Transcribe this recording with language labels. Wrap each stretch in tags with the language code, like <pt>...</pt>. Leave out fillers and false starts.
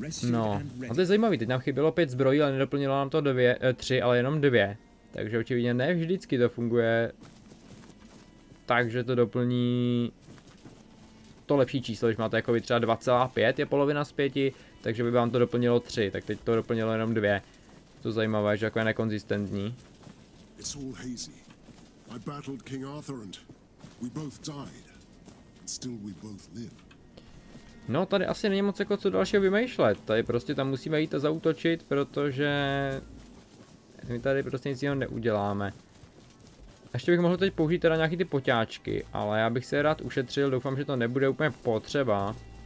<cs>No, a to je zajímavý, teď nám chybělo 5 zbrojí, ale nedoplnilo nám to 3, ale jenom 2. Takže očividně ne vždycky to funguje tak, že to doplní to lepší číslo, když máte jako by třeba 2,5 je polovina z 5, takže by vám to doplnilo 3, tak teď to doplnilo jenom 2. To je zajímavé, že jako je nekonzistentní.</cs> <en>It's all hazy. I battled King Arthur and we both died. And still we both live.</en> <cs>No, tady asi není moc jako co dalšího vymýšlet. Tady prostě tam musíme jít a zaútočit, protože my tady prostě nic jiného neuděláme. Ještě bych mohl teď použít teda nějaký ty poťáčky, ale já bych se rád ušetřil, doufám, že to nebude úplně potřeba.</cs>